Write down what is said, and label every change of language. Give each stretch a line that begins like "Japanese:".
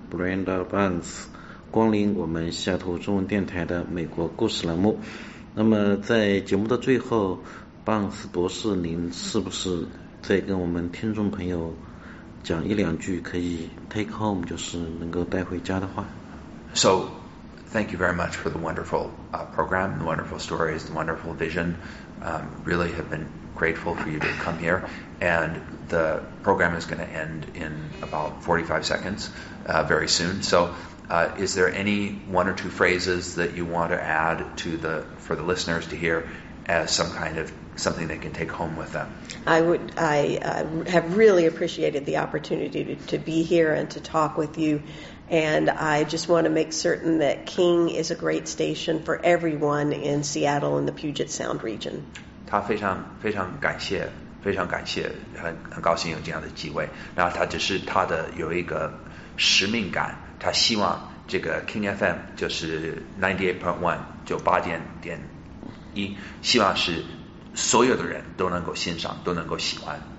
Chinese: Brenda Burns 光临我们西雅图中文电台的美国故事栏目。那么在节目的最后，邦斯博士，您是不是再跟我们听众朋友讲一两句可以
English: take home，
Chinese: 就是能够带回家的话？
English: So thank you very much for the wonderful program, the wonderful stories, the wonderful vision. Really have been grateful for you to come here. And the program is going to end in about 45 seconds, very soon. So is there any one or two phrases that you want to add to the, for the listeners to hear as some kind of something they can take home with them? I have really appreciated the opportunity to be here and to talk with you. And I just want to make certain that King is a great station for everyone in Seattle and the Puget Sound region.
Chinese: 他非常非常感谢，非常感谢，很高兴有这样的机会。然后他只是他的有一个使命感，他希望这个 King FM 就是 98.1 98.1 希望是所有的人都能够欣赏，都能够喜欢。